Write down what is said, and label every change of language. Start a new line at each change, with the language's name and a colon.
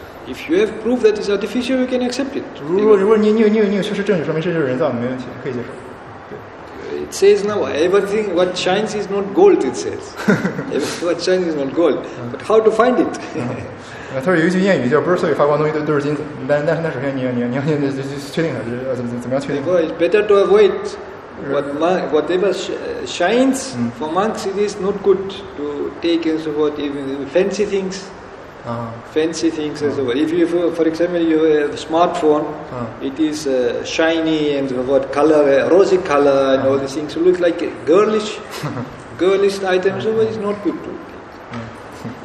English: If you have proof that it's artificial, you can accept it.
Chinese: 如果你有确实证据说明这就是人造的，没问题，可以接受。
English: It says now everything what shines is not gold. It says what shines is not gold, but how to find it?
Chinese: 他说有一句谚语叫“不是所有发光东西都是金子”，但首先你要确定它是怎么样确定。
English: It's better to avoid. Whatever shines for monks, it is not good to take and so forth, even fancy things. Fancy things and so forth. If you, for example, you have a smartphone, it is shiny and so forth, color, rosy color, and all these things. It looks like girlish items, so it's not good to take.